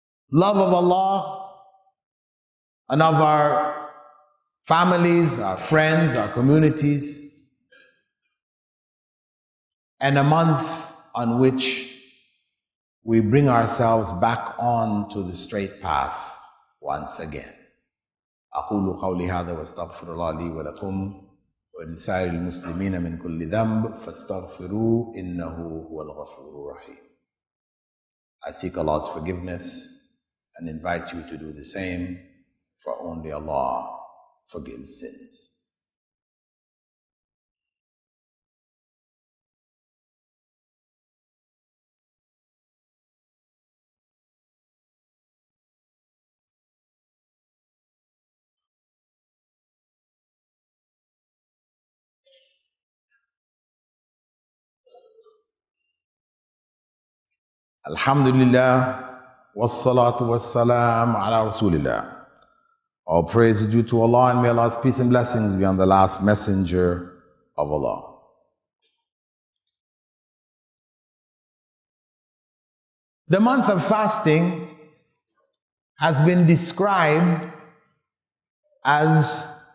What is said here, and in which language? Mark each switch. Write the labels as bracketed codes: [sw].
[en] love of Allah and of our families, our friends, our communities, and a month on which we bring ourselves back on to the straight path once again. [ar] أقول قولي هذا واستغفر الله لي ولكم ولسائر المسلمين من كل ذنب فاستغفروه إنه هو الغفور الرحيم. [en] I seek Allah's forgiveness and invite you to do the same, for only Allah forgives sins. [ar] الحمد لله والصلاة والسلام على رسول الله. [en] All praise is due to Allah, and may Allah's peace and blessings be on the last messenger of Allah. The month of fasting has been described as